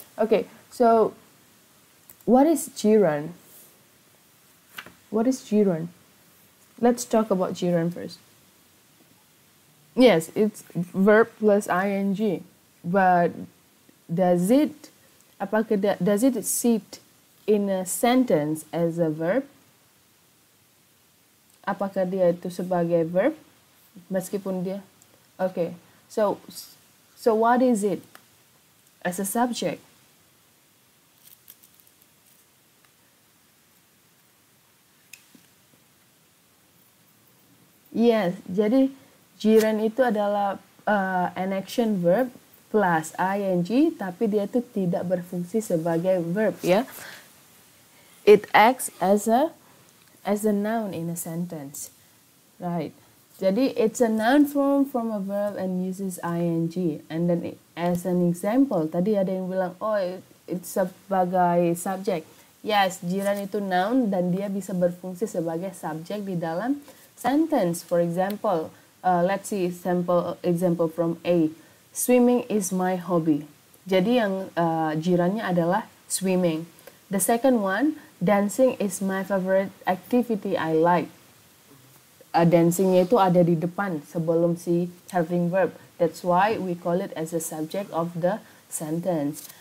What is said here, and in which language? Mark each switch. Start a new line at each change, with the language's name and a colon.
English: Okay, so what is gerund? What is gerund? Let's talk about gerund first. Yes, it's verb plus ing, but does it sit in a sentence as a verb?
Indonesian: Apakah dia itu sebagai verb meskipun dia?
English: Okay, so what is it as a subject?
Indonesian: Yes, jadi gerund itu adalah
English: an action verb plus ing,
Indonesian: tapi dia itu tidak berfungsi sebagai verb, ya. Yeah?
English: It acts as a noun in a sentence, right?
Indonesian: Jadi
English: it's a noun form from a verb and uses ing. And then as an example,
Indonesian: tadi ada yang bilang,
English: oh, it's sebagai subject.
Indonesian: Yes, gerund itu noun dan dia bisa berfungsi sebagai subject di dalam sentence.
English: For example, let's see sample example from A. Swimming is my hobby.
Indonesian: Jadi yang gerundnya adalah swimming.
English: The second one, dancing is my favorite activity I like.
Indonesian: Dancingnya itu ada di depan sebelum si helping verb.
English: That's why we call it as a subject of the sentence.